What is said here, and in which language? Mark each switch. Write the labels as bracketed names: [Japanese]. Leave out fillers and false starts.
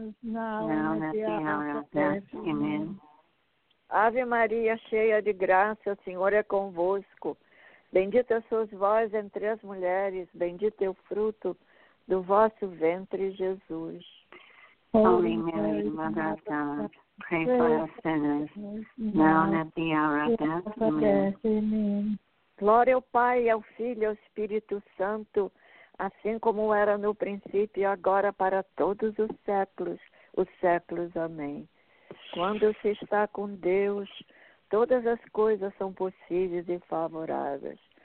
[English] Holy Mary, Mother of God, pray for us sinners, now and at the hour of death. Amen. [Portuguese] Ave Maria, cheia de graça, o Senhor é convosco. Bendita sois vós entre as mulheres. Bendito é o fruto do vosso ventre, Jesus. [English] Holy Mary, Mother of God, pray for us sinners, now and at the hour of death. Amen. [Portuguese] Glória ao Pai, ao Filho e ao Espírito Santo, assim como era no princípio e agora para todos os séculos. Amém. Quando se está com Deus, todas as coisas são possíveis e favoráveis.